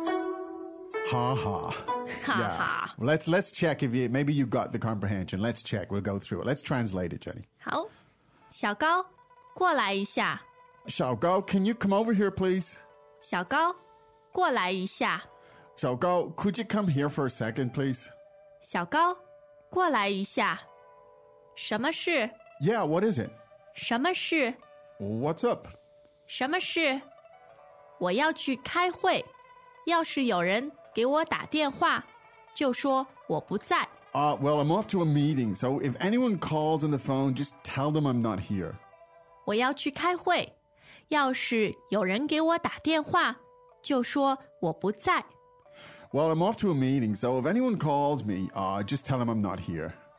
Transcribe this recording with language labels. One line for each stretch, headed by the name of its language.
Chinese: 快快快，电话。喂，你好。喂，我找王明。王明说他不在。哈哈。哈哈。
English: Let's check if maybe you got the comprehension. Let's check. We'll go through it. Let's translate it, Jenny.
Chinese: 好，小高。过来一下
English: 小高, can you come over here, please?
Chinese: 小高, 过来一下
English: 小高, could you come here for a second, please?
Chinese: 小高, 过来一下 什么事?
English: Yeah, what is it?
Chinese: 什么事?
English: What's up?
Chinese: 什么事? 我要去开会 要是有人给我打电话 就说我不在
English: Well, I'm off to a meeting, so if anyone calls on the phone, just tell them I'm not here.
Chinese: 我要去开会,要是有人给我打电话,就说我不在。
English: Well, I'm off to a meeting, so if anyone calls me, just tell them I'm not here.